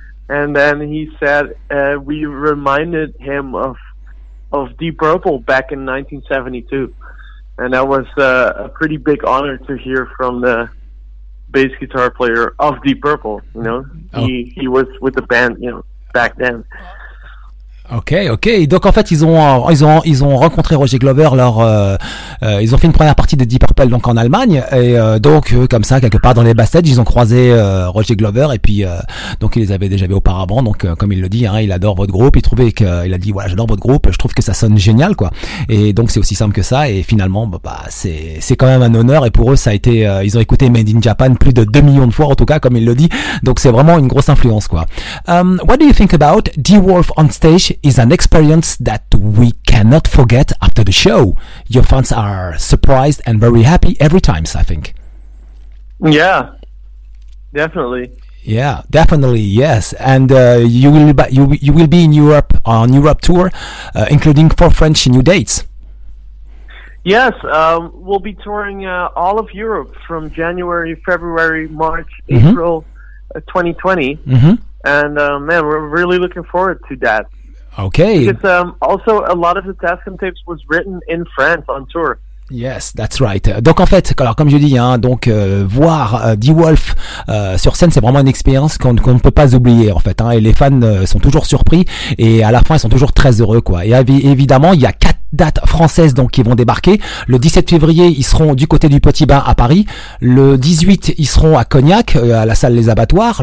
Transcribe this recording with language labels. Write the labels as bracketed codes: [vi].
[en] And then he said, "We reminded him of Deep Purple back in 1972," and that was a pretty big honor to hear from the bass guitar player of Deep Purple. You know, he was with the band, you know, back then. Ok. [fr] Donc en fait, ils ont rencontré Roger Glover ils ont fait une première partie de Deep Purple donc en Allemagne et donc comme ça quelque part dans les backstage, ils ont croisé Roger Glover et puis donc il les avait déjà vus auparavant, donc comme il le dit, hein, il adore votre groupe, il a dit voilà, j'adore votre groupe, je trouve que ça sonne génial, quoi. Et donc c'est aussi simple que ça, et finalement c'est quand même un honneur, et pour eux ça a été ils ont écouté Made in Japan plus de 2 millions de fois, en tout cas comme il le dit, donc c'est vraiment une grosse influence, quoi. [en] What do you think about Dee Wolf on stage? Is an experience that we cannot forget after the show. Your fans are surprised and very happy every time, I think. Yeah, definitely. Yeah, definitely, yes. And you will be in Europe on Europe tour, including 4 French new dates. Yes, we'll be touring all of Europe from January, February, March, mm-hmm. April 2020. Mm-hmm. And man, we're really looking forward to that. Okay. Because also a lot of the Tascam tapes was written in France on tour. Yes, that's right. [fr] Donc en fait, alors comme je dis, hein, donc voir Dee Wolf sur scène, c'est vraiment une expérience qu'on ne peut pas oublier, en fait. Hein, et les fans sont toujours surpris et à la fin, ils sont toujours très heureux, quoi. Et évidemment, il y a 4 dates françaises donc qui vont débarquer. Le 17 février, ils seront du côté du Petit Bain à Paris. Le 18, ils seront à Cognac à la salle Les Abattoirs.